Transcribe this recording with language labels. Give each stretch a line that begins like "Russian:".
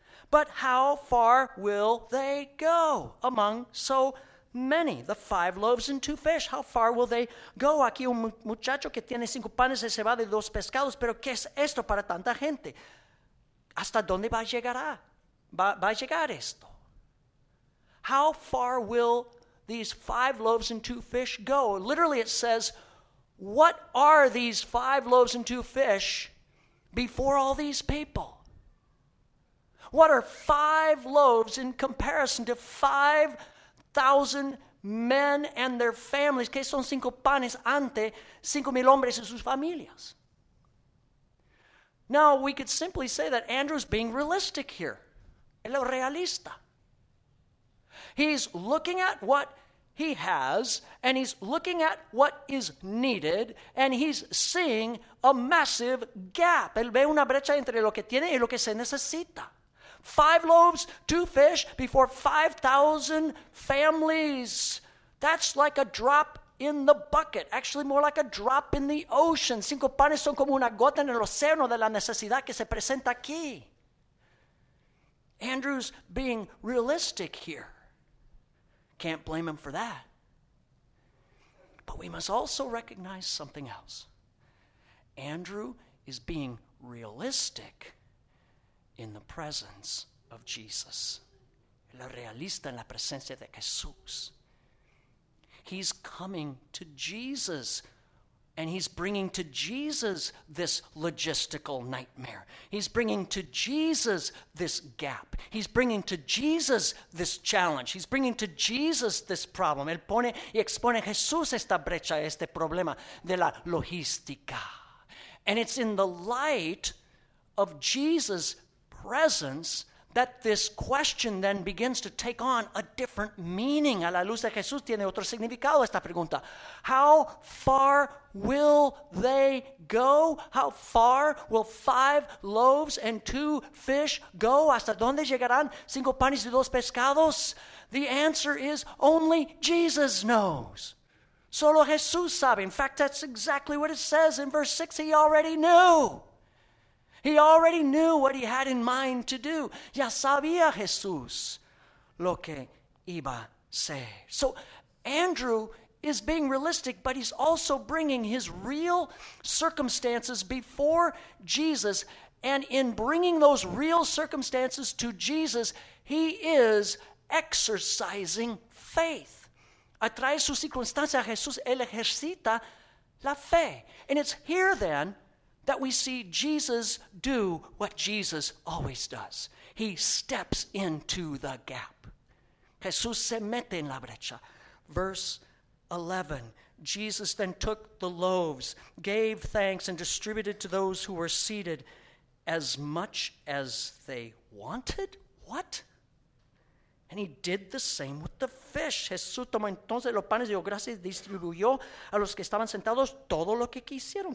English: But how far will they go among so many? The 5 loaves and 2 fish. How far will they go?
Spanish: Aquí un muchacho que tiene 5 panes de cebada y 2 pescados. Pero ¿qué es esto para tanta gente? ¿Hasta dónde va a llegar? ¿Va a llegar esto?
English: How far will these 5 loaves and 2 fish go? Literally it says, what are these 5 loaves and 2 fish before all these people? What are 5 loaves in comparison to 5,000 men and their families?
Spanish: ¿Qué son 5 panes ante 5,000 hombres y sus familias?
English: Now, we could simply say that Andrew's being realistic here.
Spanish: El realista.
English: He's looking at what he has, and he's looking at what is needed, and he's seeing a massive gap.
Spanish: Él ve una brecha entre lo que tiene y lo que se necesita.
English: Five loaves, two fish before 5,000 families. That's like a drop in the bucket. Actually, more like a drop in the ocean.
Spanish: Cinco panes son como una gota en el océano de la necesidad que se presenta aquí.
English: Andrew's being realistic here. Can't blame him for that. But we must also recognize something else. Andrew is being realistic in the presence of Jesus.
Spanish: La realista en la presencia de Jesús.
English: He's coming to Jesus, and he's bringing to Jesus this logistical nightmare. He's bringing to Jesus this gap. He's bringing to Jesus this challenge. He's bringing to Jesus this problem.
Spanish: Él pone y expone a Jesús esta brecha, este problema de la logística.
English: And it's in the light of Jesus' presence that this question then begins to take on a different meaning.
Spanish: A la luz de Jesús tiene otro significado esta pregunta.
English: How far will they go? How far will five loaves and two fish go?
Spanish: ¿Hasta dónde llegarán cinco panes y dos pescados?
English: The answer is only Jesus knows.
Spanish: Solo Jesús sabe.
English: In fact, that's exactly what it says in verse 6. He already knew. He already knew what he had in mind to do.
Spanish: Ya sabía Jesús lo que iba a hacer.
English: So Andrew is being realistic, but he's also bringing his real circumstances before Jesus. And in bringing those real circumstances to Jesus, he is exercising faith.
Spanish: A través de su circunstancia, Jesús él ejercita la fe.
English: And it's here then that we see Jesus do what Jesus always does. He steps into the gap.
Spanish: Jesús se mete en la brecha.
English: Verse 11, Jesus then took the loaves, gave thanks, and distributed to those who were seated as much as they wanted. What? And he did the same with the fish.
Spanish: Jesús tomó entonces los panes y dio gracias y distribuyó a los que estaban sentados todo lo que quisieron.